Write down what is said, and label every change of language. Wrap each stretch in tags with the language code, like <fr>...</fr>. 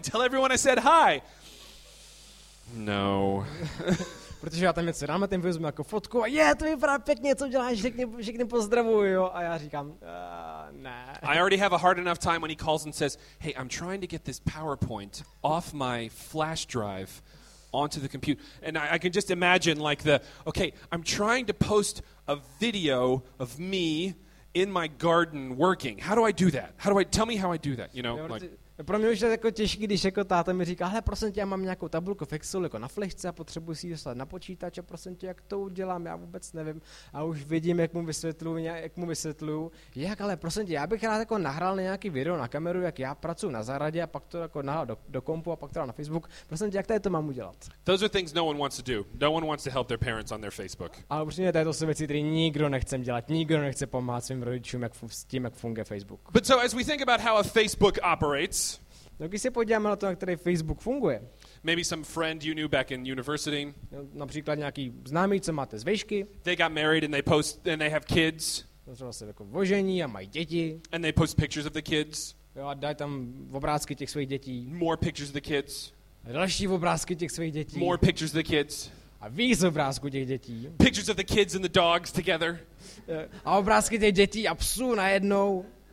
<en>Tell everyone I said hi. No.</en> <cs>Protože já tam něco dám, tím vezmu jako fotku a je, to vypadá pěkně, co děláš, všechny pozdravuju, jo, a já říkám, ne.</cs> <en>I already have a hard enough time when he calls and says, hey, I'm trying to get this PowerPoint off my flash drive onto the computer. And I can just imagine like the, okay, I'm trying to post a video of me in my garden working. How do I do that? Tell me how I do that, you know, like...</en> <cs>Pro mě už je jako těžký, když jako táta mi říká, hele, prosím tě, já mám nějakou tabulku v Excelu jako na flešce a potřebuji si ji dostat na počítač a prosím tě, jak to udělám, já vůbec nevím. A už vidím, jak mu vysvětluju, jak, ale prosím tě, já bych rád jako nahrál nějaký video na kameru, jak já pracuji na zahradě a pak to jako nahrál do kompu a pak to dal na Facebook. Prosím tě, jak to mám udělat?</cs> <en>Those are things no one wants to do. No one wants to help their parents on their Facebook.</en> <cs>A upřímně, to jsou věci, které nikdo nechce dělat, nikdo nechce pomáhat svým rodičům, jak s tím, jak funguje Facebook.</cs> <en>But so as we think about how a Facebook operates,</en> <cs>no, když se podíváme na to, jak tady Facebook funguje.</cs> <en>Maybe some friend you knew back in university.</en> <cs>Například nějaký známý, co máte z vejšky.</cs> <en>They got married and they post and they have kids.</en> <cs>Třeba se jako vožení a mají děti.</cs> <en>And they post pictures of the kids.</en> <cs>Jo, a dají tam obrázky těch svých dětí.</cs> <en>More pictures of the kids.</en> <cs>A další obrázky těch svých dětí.</cs> <en>More pictures of the kids.</en> <cs>A víc obrázků těch dětí.</cs> <en>Pictures of the kids and the dogs together.</en> <cs>A obrázky těch dětí a psů najednou.</cs>